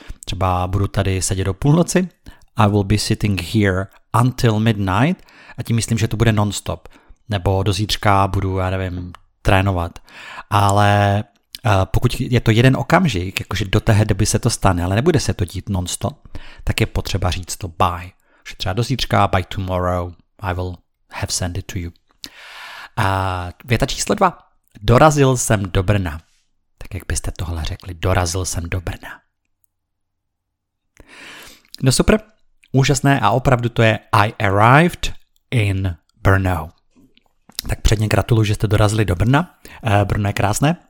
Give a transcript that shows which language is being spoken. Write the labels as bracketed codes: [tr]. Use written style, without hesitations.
[cs] Třeba budu tady sedět do půlnoci, [en] I will be sitting here until midnight, [cs] a tím myslím, že to bude non-stop. Nebo do zítřka budu, já nevím, trénovat. Ale pokud je to jeden okamžik, jakože do té doby se to stane, ale nebude se to dít non-stop, tak je potřeba říct to by. Že třeba do zítřka, [en] by tomorrow, I will have sent it to you. [cs] A věta číslo 2. Dorazil jsem do Brna. Tak jak byste tohle řekli? Dorazil jsem do Brna. No super, úžasné a opravdu to je [en] I arrived in Brno. [cs] Tak předně gratuluju, že jste dorazili do Brna. Brno je krásné.